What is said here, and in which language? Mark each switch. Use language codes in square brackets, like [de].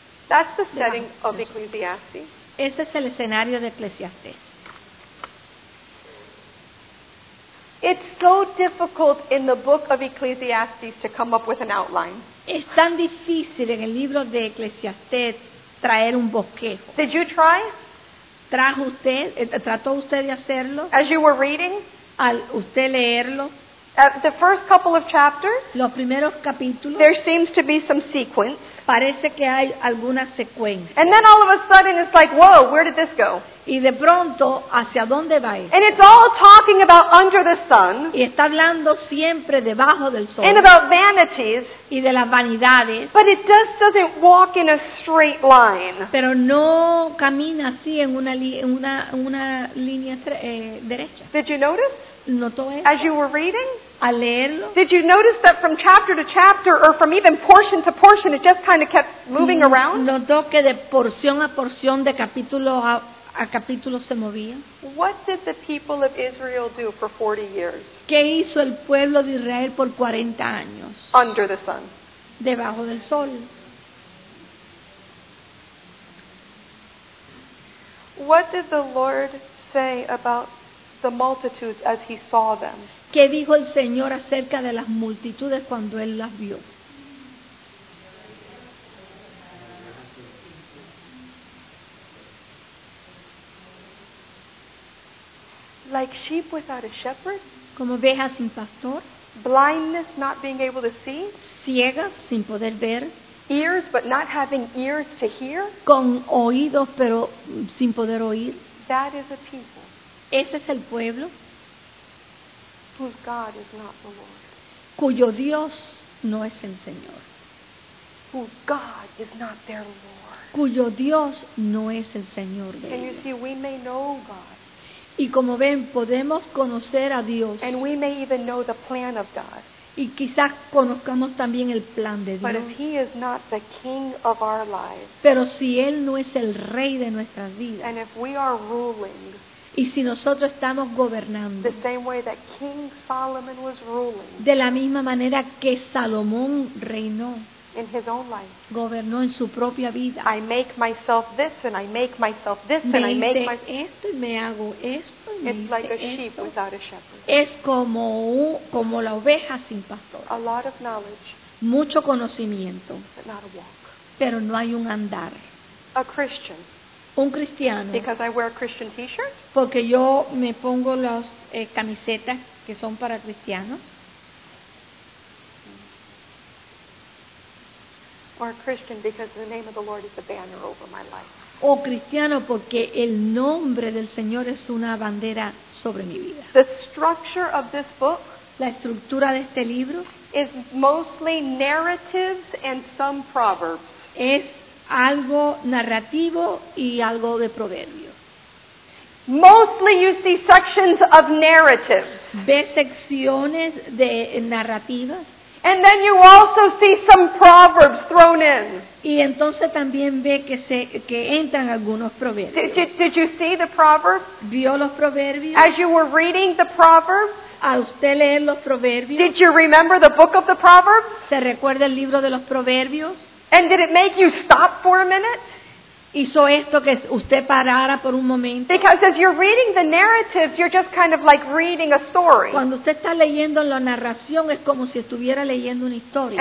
[en] That's the setting of Ecclesiastes. [es] Ese es el escenario de Ecclesiastes. [en] It's so difficult in the book of Ecclesiastes to come up with an outline. [es] Es tan difícil en el libro de Eclesiastés traer un bosquejo. [en] Did you try? [es] ¿Trajo usted? ¿Trató usted de hacerlo? [en] As you were reading? [es] Al usted leerlo. [en] At the first couple of chapters, [es] los primeros capítulos, [en] there seems to be some sequence. [es] Parece que hay alguna secuencia. [en] And then all of a sudden it's like, whoa, where did this go? [es] Y de pronto, ¿hacia dónde va esto? [en] And it's all talking about under the sun. [es] Y está hablando siempre debajo del sol. [en] And about vanities. [es] Y de las vanidades. [en] But it just doesn't walk in a straight line. [es] Pero no camina así en una línea derecha. [en] Did you notice? As you were reading, [es] al leerlo, [en] did you notice that from chapter to chapter, or from even portion to portion, it just kind of kept moving around? [es] Notó que de porción a porción, de capítulo a capítulo, se movía. [en] What did the people of Israel do for 40 years? [es] ¿Qué hizo el pueblo de Israel por 40 años? [en] Under the sun. [es] Debajo del sol. [en] What did the Lord say about the multitudes as he saw them? [es] ¿Qué dijo el Señor acerca de las multitudes cuando él las vio? [en] Like sheep without a shepherd? [es] Como ovejas sin pastor? [en] Blindness, not being able to see? [es] Ciegas, sin poder ver? [en] Ears, but not having ears to hear? [es] Con oídos, pero sin poder oír? [en] That is a people. [es] Ese es el pueblo [en] whose God is not the Lord. [es] Cuyo Dios no es el Señor. [en] Whose God is not their Lord. [es] Cuyo Dios no es el Señor de ellos. [en] And you see, we may know God. [es] Y como ven, podemos conocer a Dios. [en] And we may even know the plan of God. [es] Y quizás conozcamos también el plan de Dios. [en] But if he is not the king of our lives, [es] pero si Él no es el Rey de nuestras vidas, [en] and if we are ruling, [es] y si nosotros estamos gobernando [en] the same way that King Solomon was ruling, [es] de la misma manera que Salomón reinó, [en] in his own life. [es] Gobernó en su propia vida. [en] I make myself this and I make myself this [es] me [en] and I make my... [es] esto y me hago esto y [en] it's [es] me [en] like a [es] esto. [en] Sheep without a shepherd. [es] Es como, como la oveja sin pastor. [en] A lot of knowledge. [es] Mucho conocimiento. [en] But not a walk. [es] Pero no hay un andar. [en] A Christian. [es] Un cristiano. [en] Because I wear a Christian t-shirt. [es] Porque yo me pongo las camisetas que son para cristianos. [en] Or a Christian because the name of the Lord is a banner over my life. [es] O cristiano porque el nombre del Señor es una bandera sobre mi vida. [en] The structure of this book, [es] la estructura de este libro, [en] is mostly narratives and some proverbs. [es] Es algo narrativo y algo de proverbios. [en] Mostly you see sections of narratives. [es] Ves secciones de narrativas. [en] And then you also see some proverbs thrown in. [es] Y entonces también ve que se que entran algunos proverbios. [en] Did you see the proverbs? [es] ¿Vio los proverbios? [en] As you were reading the proverbs, [es] ¿a usted leer los proverbios? [en] Did you remember the book of the proverbs? [es] ¿Se recuerda el libro de los proverbios? [en] And did it make you stop for a minute? [es] ¿Hizo esto que usted parara por un momento? [en] Because as you're reading the narratives, you're just kind of like reading a story. [es] Cuando usted está leyendo la narración, es como si estuviera leyendo una historia.